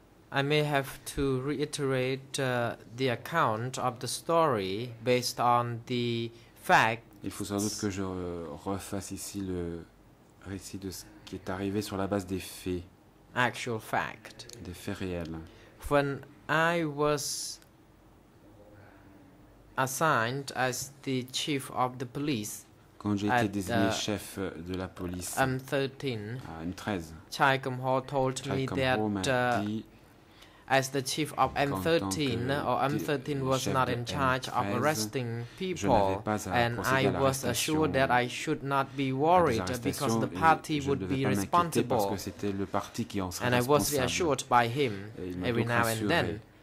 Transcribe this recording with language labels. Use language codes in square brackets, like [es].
[en] I may have to reiterate the account of the story based on the fact. [fr] Il faut sans doute que je refasse ici le récit de ce qui est arrivé sur la base des faits. [en] Actual fact. [fr] Des faits réels. [en] When I was assigned as the chief of the police. [fr] Quand j'ai été désigné chef de la police à M13, [en] Chai Kumho told me that as the chief of M13, or M13 was not in charge of arresting people, and I was assured that I should not be worried because the party would be responsible, and I was reassured by him every now and then.